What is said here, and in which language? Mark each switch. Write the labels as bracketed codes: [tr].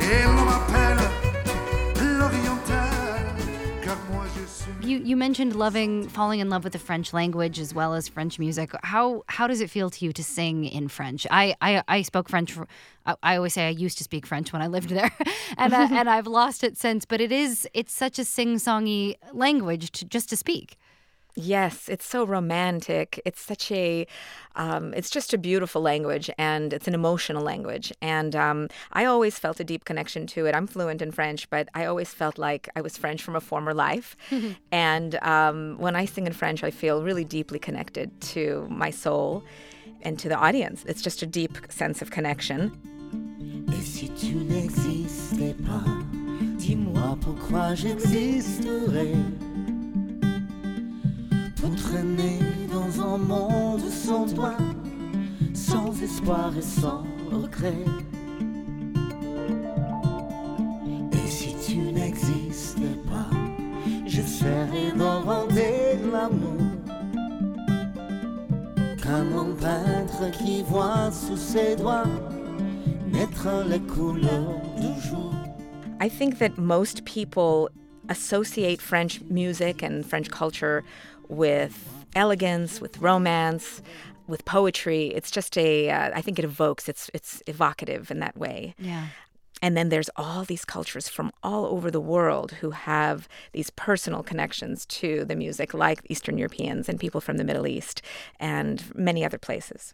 [fr] Et l'on m'appelle l'Oriental, car moi je suis. [en] You mentioned falling in love with the French language as well as French music. How does it feel to you to sing in French? I spoke French. I always say I used to speak French when I lived there, and and I've lost it since. But it's such a sing-songy language to speak. Yes, it's so romantic. It's such a, it's just a beautiful language, and it's an emotional language. And I always felt a deep connection to it. I'm fluent in French, but I always felt like I was French from a former life. And when I sing in French, I feel really deeply connected to my soul and to the audience. It's just a deep sense of connection. [fr] Et si tu n'existais pas, dis-moi pourquoi j'existerais. Pour traîner dans un monde sans toi, sans espoir et sans regret. Et si tu n'existais pas, je serais demandé de l'amour. Comme un peintre qui voit sous ses doigts naître les couleurs du jour. [en] I think that most people associate French music and French culture with elegance, with romance, with poetry. It's just I think it evokes, it's evocative in that way. Yeah. And then there's all these cultures from all over the world who have these personal connections to the music, like Eastern Europeans and people from the Middle East and many other places.